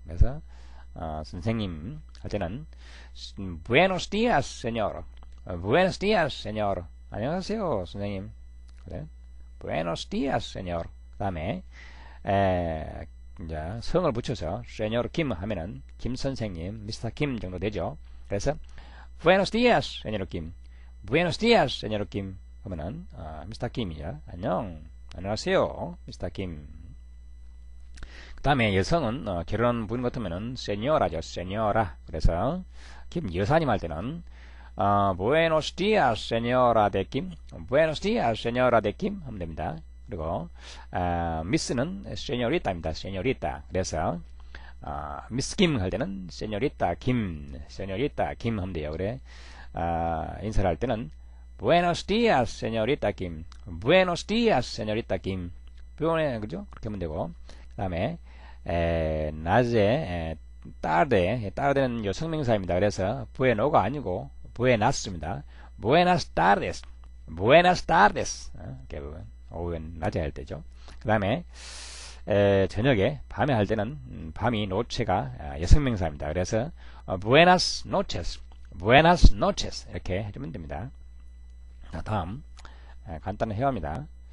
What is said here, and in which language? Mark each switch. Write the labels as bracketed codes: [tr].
[ko] 그래서 선생님 할 때는 [es] Buenos dias, [ko] 세뇨르. [es] Buenos dias, señor. [ko] 안녕하세요, 선생님. 그래? [es] Buenos dias, señor. [ko] 그다음에 이제 성을 붙여서 señor Kim 하면은 김 선생님, 미스터 김 정도 되죠. 그래서 [es] Buenos dias, señor Kim. Buenos dias, señor Kim. [ko] 그러면은 미스터 김이야. 안녕. 안녕하세요, 미스터 김. 그다음에 여성은 결혼한 분 같으면은 señora죠, señora. 그래서 김 여사님 할 때는 [es] Buenos dias, señora de Kim. Buenos dias, señora de Kim. [ko] 하면 됩니다. 그리고 Miss는 señorita입니다. [es] señorita. [ko] 그래서 Miss Kim 할 때는 señorita Kim. señorita Kim 하면 돼요. 그래. 인사를 할 때는 [es] Buenos dias, señorita Kim. Buenos dias, señorita Kim. [ko] 표현해, 그죠? 그렇게 하면 되고. 그다음에 낮에 tarde. tarde는 여성명사입니다. 그래서 bueno가 아니고 Buenas입니다. [es] Buenas tardes. Buenas tardes. [ko] 오후엔 낮에 할 때죠. 그 다음에 저녁에 밤에 할 때는 밤이 노체가 여성명사입니다. 그래서 [es] Buenas noches. Buenas noches. [ko] 이렇게 해주면 됩니다. 자, 다음 간단한 회화입니다.